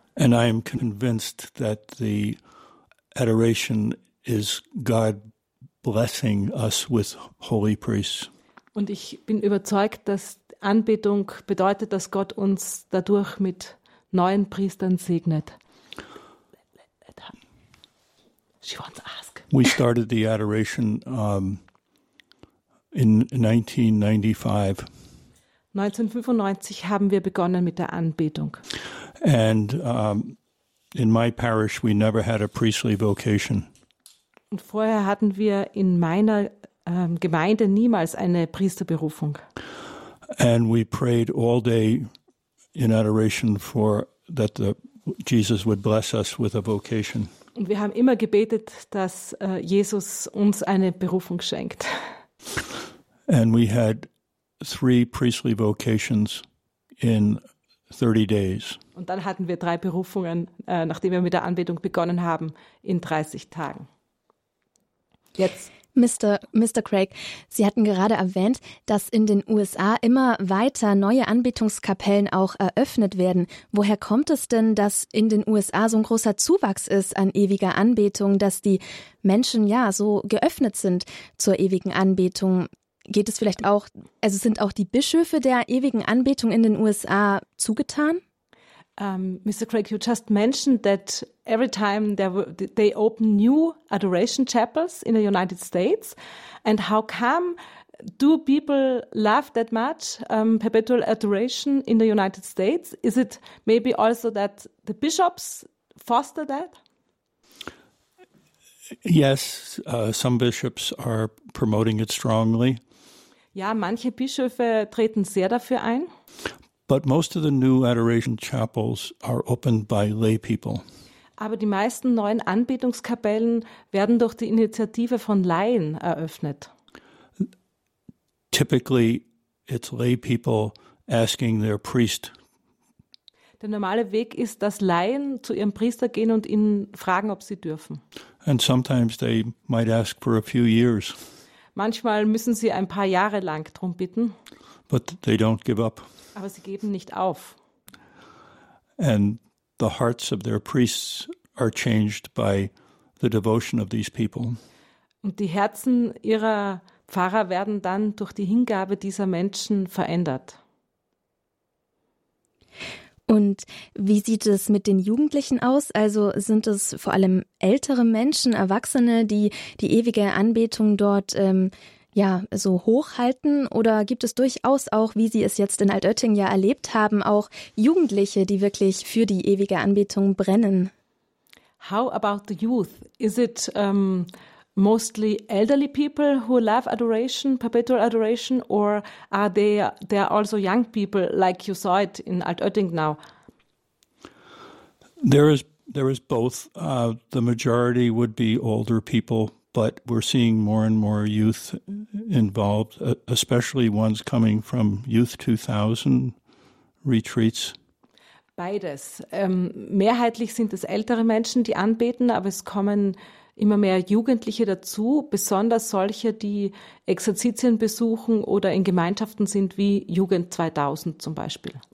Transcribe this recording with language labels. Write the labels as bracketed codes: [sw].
[en] And I am convinced that the adoration is God blessing us with holy priests. [de] Und ich bin überzeugt, dass Anbetung bedeutet, dass Gott uns dadurch mit neuen Priestern segnet. [en] She wants to ask. We started the adoration in 1995 [de] haben wir begonnen mit der Anbetung. [en] And in my parish we never had a priestly vocation. [de] Und vorher hatten wir in meiner Gemeinde niemals eine Priesterberufung. [en] And we prayed all day in adoration for that the Jesus would bless us with a vocation. [de] Und wir haben immer gebetet, dass Jesus uns eine Berufung schenkt. [en] And we had 3 priestly vocations in 30 days. [de] Und dann hatten wir 3 Berufungen, nachdem wir mit der Anbetung begonnen haben, in 30 Tagen. Jetzt. Mr. Craig, Sie hatten gerade erwähnt, dass in den USA immer weiter neue Anbetungskapellen auch eröffnet werden. Woher kommt es denn, dass in den USA so ein großer Zuwachs ist an ewiger Anbetung, dass die Menschen ja so geöffnet sind zur ewigen Anbetung? Geht es vielleicht auch, also sind auch die Bischöfe der ewigen Anbetung in den USA zugetan? [en] Mr. Craig, you just mentioned that every time they open new adoration chapels in the United States, and how come do people love that much perpetual adoration in the United States? Is it maybe also that the bishops foster that? Yes, some bishops are promoting it strongly. [de] Ja, manche Bischöfe treten sehr dafür ein. [en] But most of the new adoration chapels are opened by lay people. [de] Aber die meisten neuen Anbetungskapellen werden durch die Initiative von Laien eröffnet. [en] Typically it's lay people asking their priest. [de] Der normale Weg ist, dass Laien zu ihrem Priester gehen und ihn fragen, ob sie dürfen. [en] And sometimes they might ask for a few years. [de] Manchmal müssen sie ein paar Jahre lang drum bitten. [en] But they don't give up. [de] Aber sie geben nicht auf. [en] And the hearts of their priests are changed by the devotion of these people. [de] Und die Herzen ihrer Pfarrer werden dann durch die Hingabe dieser Menschen verändert. Und wie sieht es mit den Jugendlichen aus? Also sind es vor allem ältere Menschen, Erwachsene, die die ewige Anbetung dort ja, so hochhalten, oder gibt es durchaus auch, wie Sie es jetzt in Altötting ja erlebt haben, auch Jugendliche, die wirklich für die ewige Anbetung brennen? [en] How about the youth? Is it mostly elderly people who love adoration, perpetual adoration, or are they also young people, like you saw it in Altötting now? There is both. The majority would be older people. But we're seeing more and more youth involved, especially ones coming from Youth 2000 retreats. [de] Beides. Mehrheitlich sind es ältere Menschen, die anbeten, aber es kommen immer mehr Jugendliche dazu, besonders solche, die Exerzitien besuchen oder in Gemeinschaften sind wie Jugend 2000 zum Beispiel.